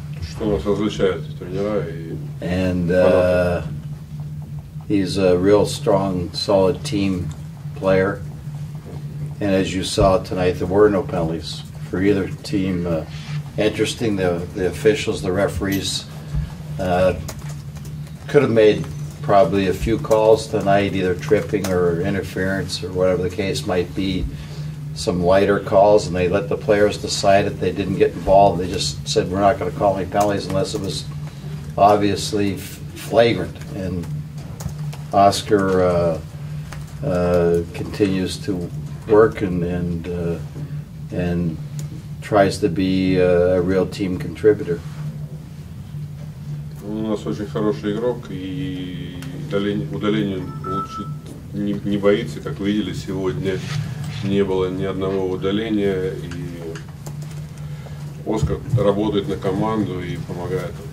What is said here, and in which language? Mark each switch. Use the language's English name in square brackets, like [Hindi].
[Russian] Что нас отличает от тренера? [English] And he's a real strong, solid team player. And as you saw tonight, there were no penalties for either team. Interesting, the officials, the referees could have made probably a few calls tonight, either tripping or interference or whatever the case might be, some lighter calls, and they let the players decide it. They didn't get involved. They just said, we're not going to call any penalties unless it was obviously flagrant. And Oscar continues to work and tries to be a real team contributor. [Russian] Он у нас очень хороший игрок, и удаление получить не боится, как видели сегодня. Не было ни одного удаления, и Оскар работает на команду и помогает.